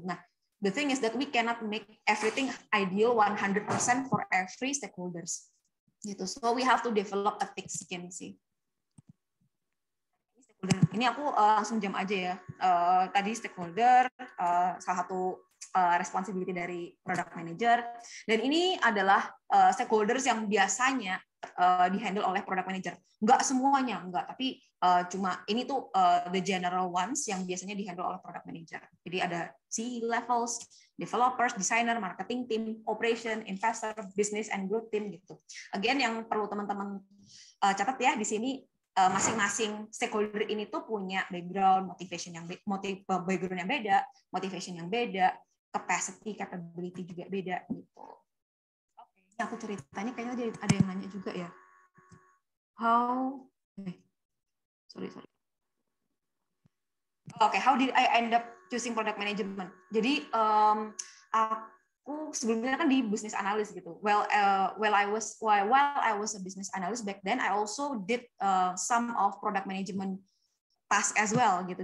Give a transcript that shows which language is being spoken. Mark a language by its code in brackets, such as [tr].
[en] Nah, the thing is that we cannot make everything ideal 100% for every stakeholders. Gitu. So we have to develop a thick skin sih. [id] Ini aku langsung jam aja ya. Tadi stakeholder, salah satu responsibility dari product manager. Dan ini adalah stakeholders yang biasanya dihandle oleh product manager. Enggak semuanya, enggak. Tapi cuma ini tuh the general ones yang biasanya dihandle oleh product manager. Jadi ada C-levels, developers, designer, marketing team, operation, investor, business, and growth team gitu. Again, yang perlu teman-teman catat ya di sini, masing-masing stakeholder ini tuh punya background, motivation yang background yang beda, motivation yang beda, capacity, capability juga beda gitu. Oke, okay. Aku ceritanya kayaknya ada yang nanya juga ya. [en] Sorry. Oke, okay, how did I end up choosing product management? [id] Jadi aku sebelumnya kan di business analyst gitu. [en] While I was a business analyst back then, I also did some of product management task as well gitu.